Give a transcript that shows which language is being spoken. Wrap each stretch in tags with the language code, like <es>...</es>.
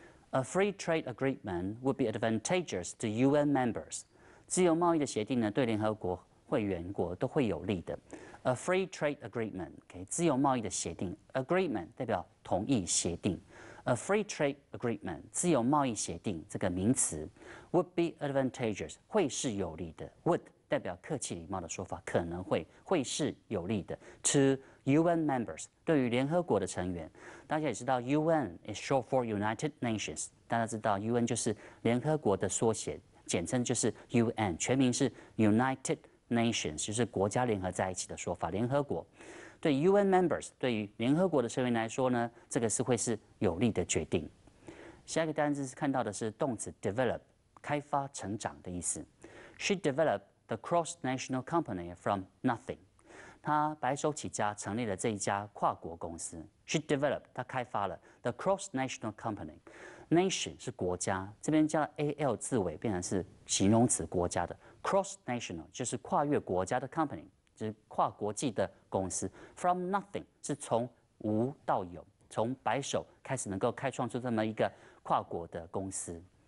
<en>A free trade agreement would be advantageous to UN members。</en> <zh>自由贸易的协定呢，对联合国会员国都会有利的。</zh> <en>A free trade agreement，</en> <zh>OK， 自由贸易的协定。Agreement 代表同意协定。</zh> <en>A free trade agreement，</en> <zh>自由贸易协定这个名词 ，</zh> <en>would be advantageous，</en> <zh>会是有利的。 Would 代表客气礼貌的说法，可能会是有利的。</zh> <en>To UN members，</en> <zh>对于联合国的成员，大家也知道 ，</zh> <en>UN is short for United Nations，</en> <zh>大家知道 UN 就是联合国的缩写，简称就是 UN， 全名是 United Nations， 就是国家联合在一起的说法，联合国。对</zh> <en>UN members，</en> <zh>对于联合国的成员来说呢，这个是会是有利的决定。下一个单字是看到的是动词 develop， 开发成长的意思。</zh> <en>She developed the cross-national company from nothing。</en> <zh>她白手起家成立了这一家跨国公司。</zh> <en>She developed，</en> <zh>她开发了</zh> <en>the cross-national company。</en> <zh>Nation 是国家，这边加了 al 字尾变成是形容词国家的 cross-national 就是跨越国家的 company。就是跨国际的公司 ，</zh> <en>from nothing</en> <zh>是从无到有，从白手开始能够开创出这么一个跨国的公司。</zh>